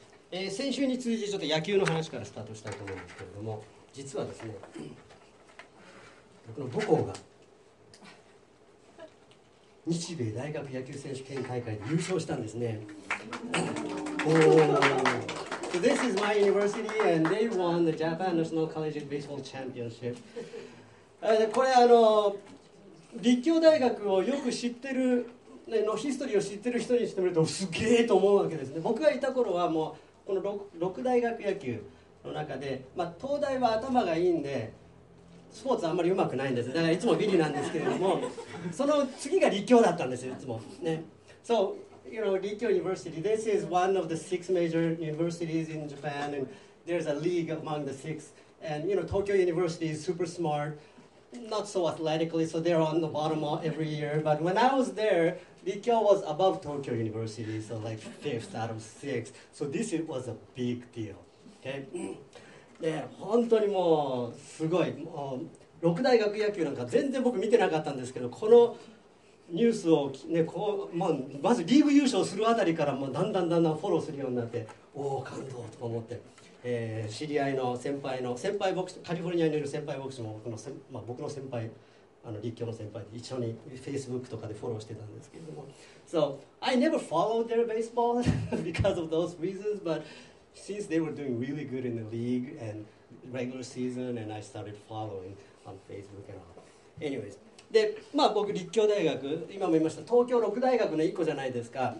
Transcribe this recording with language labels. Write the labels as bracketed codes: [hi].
[ja] 先週に続いてちょっと野球の話からスタートしたいと思うんですけれども、実はですね、僕の母校が日米大学野球選手権大会で優勝したんですね。 [en] So this is my university and they won the Japan National Collegiate Baseball Championship. [ja] これ立教大学をよく知ってる、ね、のヒストリーを知ってる人にしてみるとすげえと思うわけですね。僕がいた頃はもうこの 六大学野球の中で、まあ、東大は頭がいいんでスポーツあんまりうまくないんです。だからいつもビリなんですけれどもその次が立教だったんですよ、いつもね。 [en] So, you know, Rikyo University, this is one of the six major universities in Japan and there's a league among the six. And, you know, Tokyo University is super smart, not so athletically, so they're on the bottom every year. But when I was there,Rikyo was above Tokyo University, so like fifth out of six. So this was a big deal. Okay? [ja] で、本当にもうすごい。もう六大学野球なんか全然僕見てなかったんですけど、このニュースを、ね、こう、まあ、まずリーグ優勝するあたりからもうだんだんだんだんフォローするようになって、おお感動と思って、知り合いの先輩の、先輩ボクシング、カリフォルニアにいる先輩ボクシングも僕の先、まあ、僕の先輩、立教の先輩で一緒に Facebook とかでフォローしてたんですけれども。 [en] So, I never followed their baseball because of those reasons, but since they were doing really good in the league and regular season, and I started following on Facebook and all. [ja] Anyways, で、まあ僕、立教大学、今も言いました、東京六大学の一個じゃないですか。